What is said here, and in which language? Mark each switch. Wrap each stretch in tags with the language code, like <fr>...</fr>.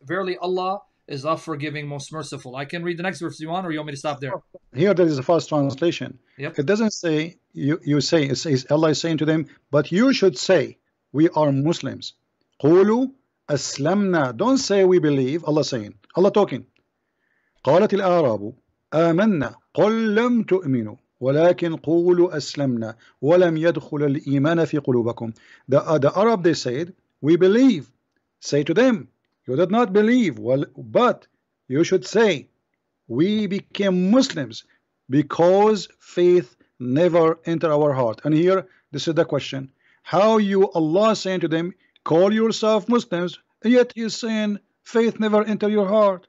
<en>Verily, Allah is the forgiving, most merciful. I can read the next verse if you want, or you want me to stop there? Here, there is a false translation. Yep. It doesn't say, you say, it says, Allah is saying to them, but you should say, we are Muslims.</en> <ar>قولوا أسلمنا.</ar> <en>Don't say we believe, Allah saying. Allah talking.</en> <ar>قالت الأعراب آمنا قل لم تؤمنوا ولكن قولوا أسلمنا ولم يدخل الإيمان في قلوبكم.</ar> <en>The Arab, they said, we believe. Say to them, you did not believe, well, but you should say, we became Muslims because faith never entered our heart. And here, this is the question. How you, Allah, saying to them, call yourself Muslims, and yet you're saying, faith never entered your heart.</en>